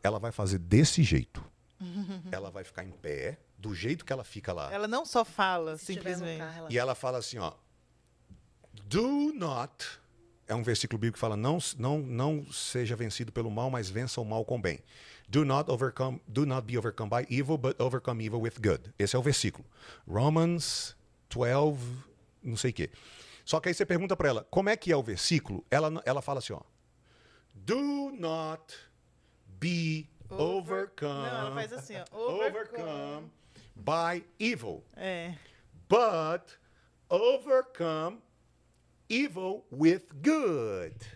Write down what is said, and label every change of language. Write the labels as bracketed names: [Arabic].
[Portuguese] Ela vai fazer desse jeito. Ela vai ficar em pé, do jeito que ela fica lá. Ela não só fala, se simplesmente. Carro, ela... E ela fala assim, ó. [English] Do not... [Portuguese] É um versículo bíblico que fala, não seja vencido pelo mal, mas vença o mal com bem. [English] Do not be overcome by evil, but overcome evil with good. [Portuguese] Esse é o versículo. Romans 12, não sei o quê. Só que aí você pergunta pra ela, como é que é o versículo? Ela fala assim, ó. [English] Do not be overcome. [Portuguese] Não, ela faz assim, ó. [English] Overcome by evil. [Portuguese] É. [English] But overcome evil with good.